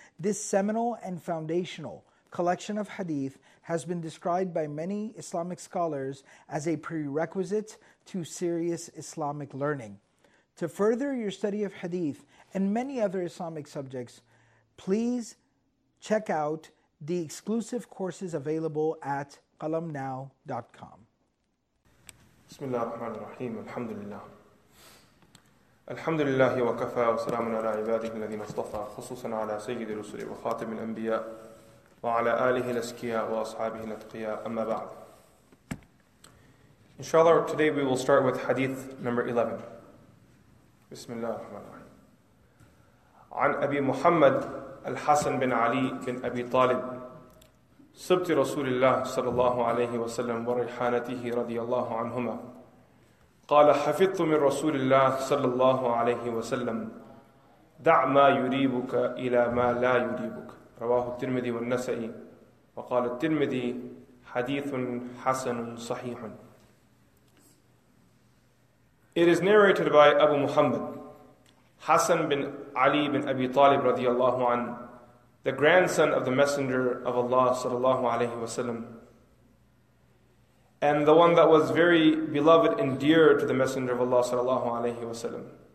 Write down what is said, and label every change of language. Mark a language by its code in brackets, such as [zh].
[en] This seminal and foundational collection of hadith has been described by many Islamic scholars as a prerequisite to serious Islamic learning. To further your study of hadith and many other Islamic subjects, please check out the exclusive courses available at qalamnow.com. [ar] بسم الله الرحمن الرحيم الحمد لله الحمد لله وكفى وسلام على عباده الذين اصطفى خصوصا على سيد الرسل وخاتم الأنبياء وعلى آله الأسكياء وأصحابه الأتقياء أما بعد إن شاء الله [en] today we will start with hadith number 11 [ar] بسم الله الرحمن الرحيم عن أبي محمد الحسن بن علي بن أبي طالب سبت رسول الله صلى الله عليه وسلم وريحانته رضي الله عنهما قال حفظت من رسول الله صلى الله عليه وسلم دع ما يريبك إلى ما لا يريبك رواه الترمذي والنسائي وقال الترمذي حديث حسن صحيح. [en] It is narrated by Abu Muhammad Hassan bin Ali bin Abi Talib رضي الله عنه, the grandson of the Messenger of Allah sallallahu alayhi wa sallam, and the one that was very beloved and dear to the Messenger of Allah sallallahu alayhi wa sallam.